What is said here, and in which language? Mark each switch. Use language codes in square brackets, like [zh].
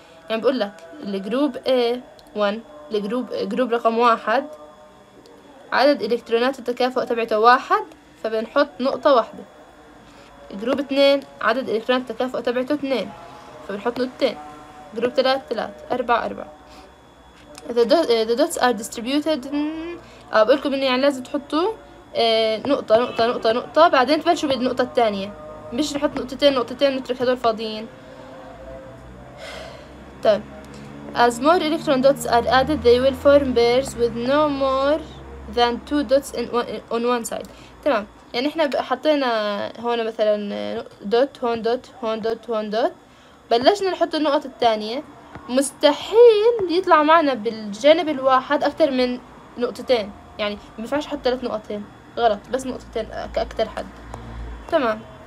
[ar] يعني بقول لك الجروب A 1 الجروب جروب رقم 1 عدد الالكترونات التكافؤ تبعته 1، فبنحط نقطة واحدة. جروب 2 عدد الالكترونات التكافؤ تبعته 2، فبنحط نقطتين. جروب 3 3 4 4. [en] The dots are distributed. [ar] بقول لكم انه يعني لازم تحطوا نقطة نقطة نقطة نقطة، بعدين تبلشوا بالنقطة الثانية، مش نحط نقطتين نقطتين نترك هدول فاضيين. [en] طيب as more electron dots are added they will form pairs with no more than two dots on one side. [ar] تمام، يعني احنا حطينا هون مثلا دوت هون دوت هون دوت هون دوت، بلشنا نحط النقط الثانية، مستحيل يطلع معنا بالجانب الواحد اكثر من نقطتين. يعني ما ينفعش احط ثلاث نقطتين، غلط، بس نقطتين كأكتر حد تمام.